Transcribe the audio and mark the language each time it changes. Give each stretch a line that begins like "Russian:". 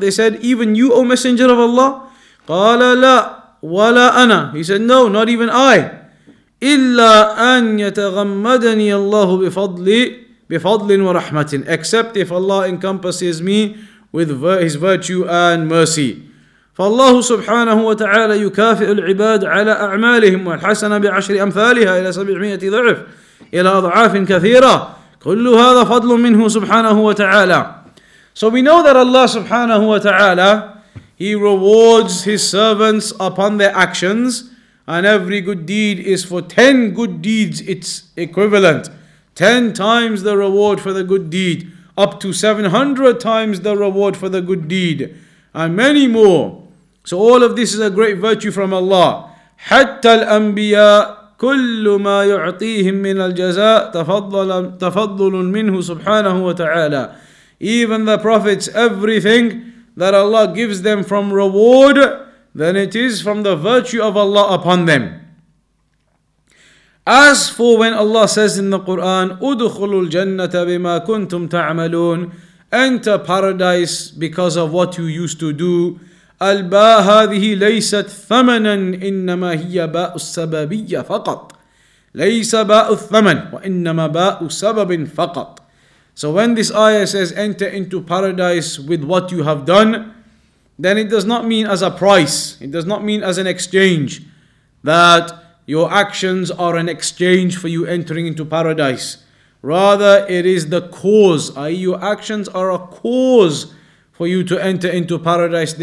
English: They said, even you, O Messenger of Allah.
Arabic: قَالَ لَا وَلَا أَنَا.
English: He said, no, not even I.
Arabic: إِلَّا أَنْ يَتَغَمَّدَنِيَ اللَّهُ بِفَضْلٍ وَرَحْمَةٍ.
English: Except if Allah encompasses me with his virtue and mercy.
Arabic: فالله سبحانه وتعالى يكافئ العباد على أعمالهم والحسنة بعشر أمثالها إلى 700 ضعف إلى أضعاف كثيرة. كل هذا فضل منه سبحانه وتعالى.
English: So we know that Allah سبحانه وتعالى, he rewards his servants upon their actions, and every good deed is for 10 good deeds its equivalent. 10 times the reward for the good deed, up to 700 times the reward for the good deed, and many more. So all of this is a great virtue from Allah.
Arabic: حَتَّى الْأَنْبِيَاءَ كُلُّ مَا يُعْطِيهِمْ مِنَ الْجَزَاءِ تَفَضُّلٌ مِّنْهُ سُبْحَانَهُ وَتَعَالَى.
English: Even the prophets, everything that Allah gives them from reward, then it is from the virtue of Allah upon them. As for when Allah says in the Quran,
Arabic: أُدْخُلُوا الْجَنَّةَ بِمَا كُنْتُمْ تَعْمَلُونَ.
English: Enter paradise because of what you used to do.
Arabic: الباء هذه ليست ثمنا إنما هي باء السببية فقط ليس باء الثمن وإنما باء سبب فقط.
English: So when this ayah says enter into paradise with what you have done, then it does not mean as a price, it does not mean as an exchange, that your actions are an exchange for you entering into paradise. Rather, it is the cause, i.e. your actions are a cause for you to enter into paradise.